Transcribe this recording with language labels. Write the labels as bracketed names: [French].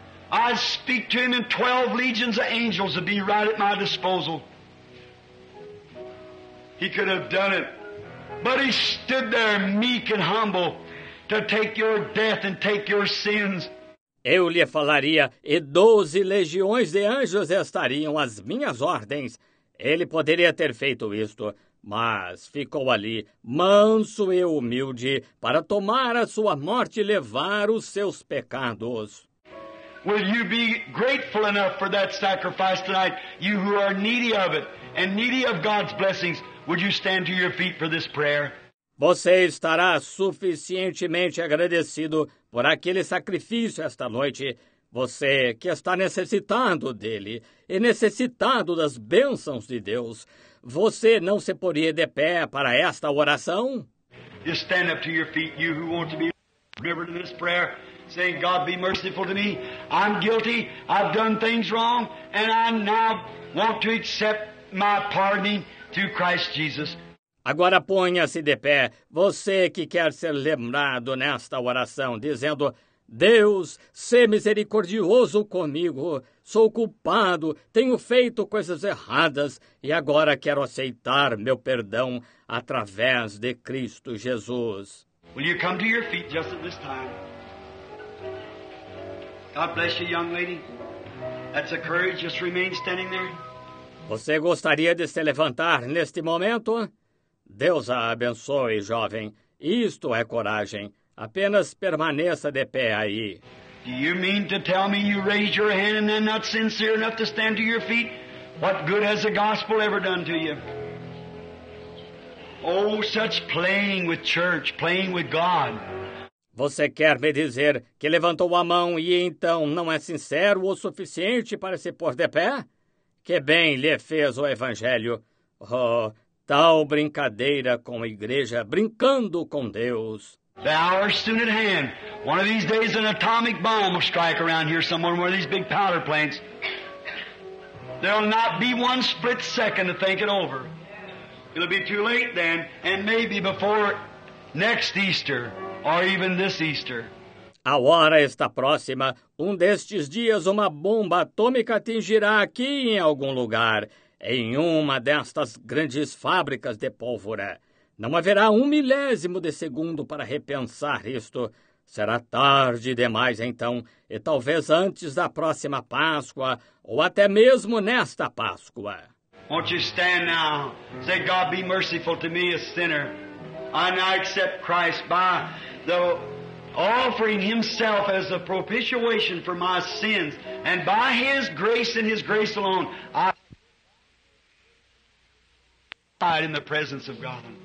[English] I speak to him and 12 legions of angels would be right at my disposal. He could have done it. But he stood there meek and humble to take your death and take your sins. [Portuguese] Eu lhe falaria, e 12 legiões de anjos estariam às minhas ordens. Ele poderia ter feito isto, mas ficou ali, manso e humilde, para tomar a sua morte e levar os seus pecados. [English] Will you be grateful enough for that sacrifice tonight, you who are needy of it, and needy of God's blessings, would you stand to your feet for this prayer? [Portuguese] Você estará suficientemente agradecido por aquele sacrifício esta noite, você que está necessitado dele e necessitado das bênçãos de Deus. Você não se poria de pé para esta oração? [English] Just stand up to your feet, you who want to be delivered in this prayer. saying, God, be merciful to me. I'm guilty. I've done things wrong. And I now want to accept my pardoning through Christ Jesus. [Portuguese] Agora ponha-se de pé, você que quer ser lembrado nesta oração, dizendo, Deus, sê misericordioso comigo, sou culpado, tenho feito coisas erradas e agora quero aceitar meu perdão através de Cristo Jesus. [English] Will you come to your feet just at this time? God bless you, young lady. That's a courage, just remain standing there. [Portuguese] Você gostaria de se levantar neste momento? Deus a abençoe, jovem. Isto é coragem. Apenas permaneça de pé aí. [English] Do you mean to tell me you raised your hand and then not sincere enough to stand to your feet? What good has the gospel ever done to you? Oh, such playing with church, playing with God. [Portuguese] Você quer me dizer que levantou a mão e então não é sincero o suficiente para se pôr de pé? Que bem lhe fez o evangelho. Oh, tal brincadeira com a igreja, brincando com Deus. [English] The hour is soon at hand. One of these days an atomic bomb will strike around here somewhere, one of these big powder plants. There will not be one split second to think it over. It will be too late then, and maybe before next Easter, or even this Easter. [Portuguese] A hora está próxima. Um destes dias uma bomba atômica atingirá aqui em algum lugar, em uma destas grandes fábricas de pólvora. Não haverá um milésimo de segundo para repensar isto. Será tarde demais, então, e talvez antes da próxima Páscoa, ou até mesmo nesta Páscoa. [English] Won't you stand now? Say, God, be merciful to me, a sinner. I now accept Christ by the offering himself as a propitiation for my sins, and by his grace and his grace alone, I hide in the presence of God.